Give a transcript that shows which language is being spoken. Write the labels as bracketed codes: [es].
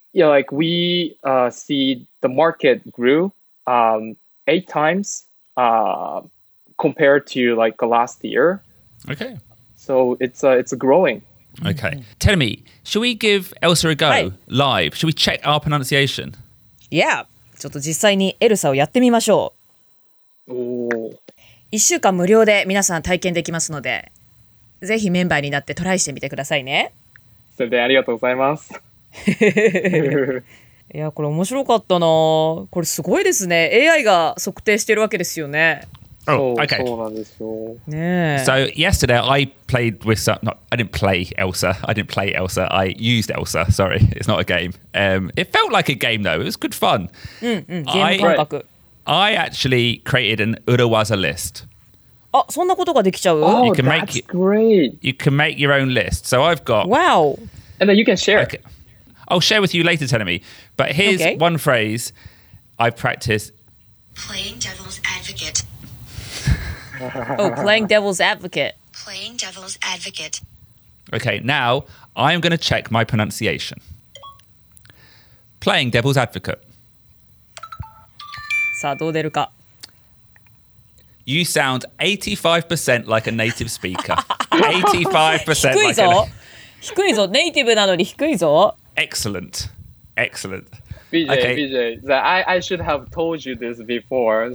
[en] Yeah, like we see the market grew 8 times compared to like last year. Okay. So it's growing. Okay. Tell me, should we give ELSA a go live? Should we check our pronunciation? Yeah. [ja] ちょっと実際にELSAをやってみましょう。1週間無料で皆さん体験できますので、ぜひメンバーになってトライしてみてくださいね。それでありがとうございます。いや、これ面白かったな。これすごいですね。AI が測定してるわけですよね。 [en] Oh, okay. [ja] そうなんですよ、ね、 [en] So yesterday I played with some, not, I didn't play ELSA. I used ELSA. Sorry, it's not a game. It felt like a game though. It was good fun. [ja] ゲーム感覚。 [en] I actually created an urawaza list. [ja] あ、そんなことができちゃう? [en] Oh, you can make, that's great. You can make your own list. So I've got... Wow. And then you can share. Okay. I'll share with you later, Tenemi. But here's one phrase I practice. Playing devil's advocate. Oh, playing devil's advocate. Playing devil's advocate. Okay, now I am going to check my pronunciation. Playing devil's advocate. [ja] さあどう出るか? [en] You sound 85% like a native speaker. 85% like a native speaker. [ja] 低いぞ。ネイティブなのに低いぞ。 [en] Excellent. Excellent. BJ,、okay. BJ, I should have told you this before.